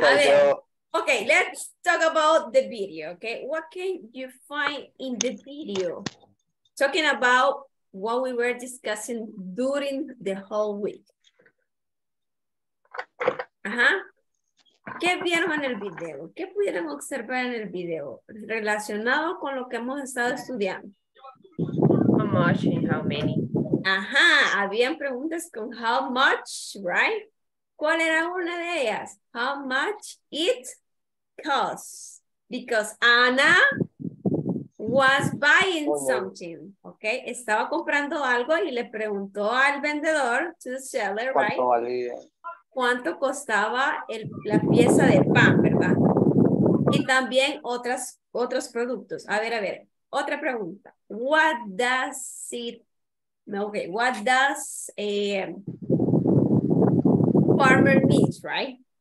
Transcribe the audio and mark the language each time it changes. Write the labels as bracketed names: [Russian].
[English] Yes, okay, let's talk about the video, okay? What can you find in the video? Talking about what we were discussing during the whole week. [Spanish] Ajá. ¿Qué vieron en el video? ¿Qué pudieron observar en el video relacionado con lo que hemos estado estudiando? [English] How much and how many. [Spanish] Ajá. Habían preguntas con [English] how much, right? [Spanish] ¿Cuál era una de ellas? [English] How much it costs. Because Anna was buying something, okay? [Spanish] Estaba comprando algo y le preguntó al vendedor, [English] to the seller, [Spanish] ¿cuánto [English] right? [Spanish] valía? ¿Cuánto costaba el, la pieza de pan, verdad? Y también otras, otros productos. A ver, otra pregunta. [English] What does it, okay, what does a farmer needs, right?